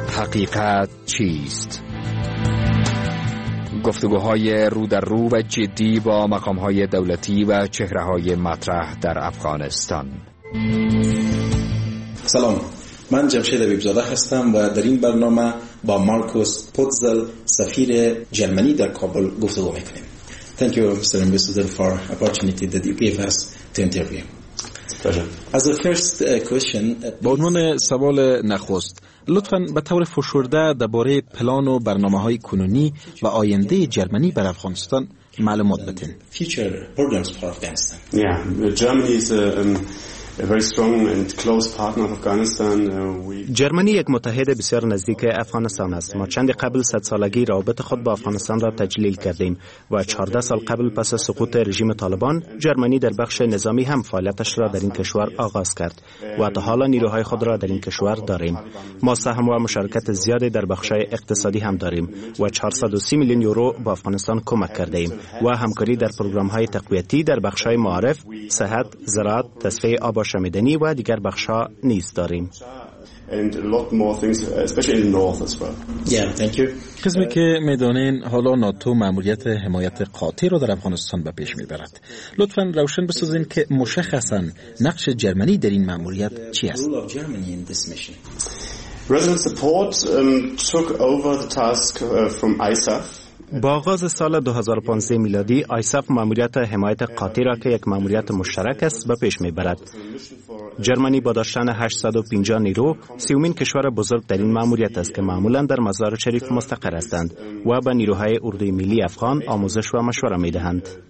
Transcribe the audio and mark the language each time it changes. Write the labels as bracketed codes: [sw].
[fa] حقیقت چیست؟ گفتگوهای رو در رو و جدی با مقامهای دولتی و چهرههای مطرح در افغانستان. سلام، من جمشید عبیب‌زاده هستم و در این برنامه با مارکوس پوتزل، سفیر جرمنی در کابل، گفتگو میکنیم. [en] Thank you, Mr. Ambassador, for the opportunity that you gave us to interview. Pleasure. As a first question, [fa] به عنوان سوال نخست، لطفاً به طور فشرده درباره پلان و برنامه های کنونی و آینده جرمنی بر افغانستان معلومات بدین. [en] Future programs for Afghanistan. Yeah, Germany is a very strong and close partner of Afghanistan. [fa] جرمنی یک متحد بسیار نزدیک افغانستان است. ما چند قبل 100 سالگی رابطه خود با افغانستان را تجلیل کردیم و 14 سال قبل پس از سقوط رژیم طالبان جرمنی در بخش نظامی هم فعالیتش را در این کشور آغاز کرد و تا حالا نیروهای خود را در این کشور داریم. ما سهم و مشارکت زیادی در بخش‌های اقتصادی هم داریم و 430 میلیون یورو با افغانستان کمک کردیم و همکاری در پروگرام‌های تقویتی در بخش‌های معارف، صحت، زراعت، تصفیه آب و شمیدنی و دیگر بخش‌ها نیز داریم. [en] And a lot more things, especially in the north as well. Yeah, thank you. [fa] قسمی که میدانین حالا ناتو ماموریت حمایت قاطع را در افغانستان به پیش میبرد. لطفاً روشن بسازین که مشخصاً نقش جرمنی در این ماموریت چی است. [en] Resident support took over the task from ISAF. [fa] با آغاز سال 2015 میلادی ISAF ماموریت حمایت قاطع را که یک ماموریت مشترک است به پیش میبرد. جرمنی با داشتن 850 نیرو سیومین کشور بزرگ در این ماموریت است که معمولا در مزار شریف مستقر هستند و به نیروهای اردوی ملی افغان آموزش و مشوره می دهند.